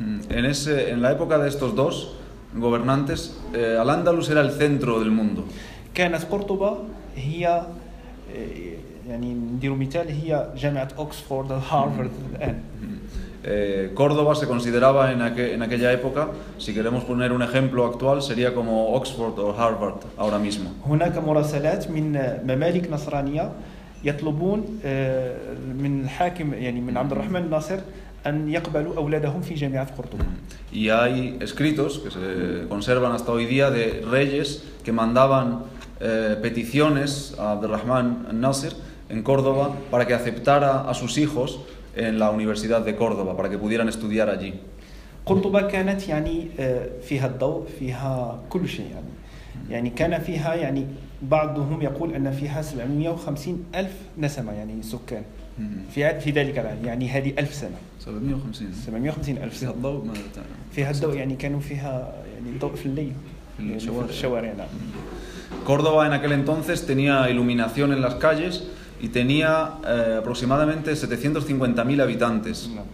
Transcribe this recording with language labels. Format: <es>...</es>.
<es>En la época de estos dos gobernantes, Al-Andalus era el centro del mundo.</es> <ar>كانت قرطبة هي يعني نديرو مثال هي جامعة أكسفورد هارفارد الآن.</ar> <es>Córdoba se consideraba en aquella época, si queremos poner un ejemplo actual, sería como Oxford o Harvard ahora mismo.</es> <ar>هناك مراسلات من ممالك نصرانية يطلبون من الحاكم يعني من عبد الرحمن الناصر أن يقبلوا أولادهم في جامعة قرطبة.</ar> <es>Y hay escritos que se conservan hasta hoy día de reyes que mandaban peticiones a Abdurrahman al-Nasir en Córdoba para que aceptara a sus hijos en la Universidad de Córdoba para que pudieran estudiar allí.</es> <ar>قرطبة كانت يعني فيها الضوء فيها كل شيء يعني كان فيها يعني بعضهم يقول أن فيها 750 ألف نسمة يعني سكان. في ذلك العام يعني هذه 1000 سنة 750 ألف فيها الضوء ما فيها الضوء يعني كانوا فيها يعني الضوء في الليل في الشوارع نعم.</ar> <es>Córdoba en aquel entonces tenía iluminación en las calles y tenía aproximadamente 750.000 habitantes.</es>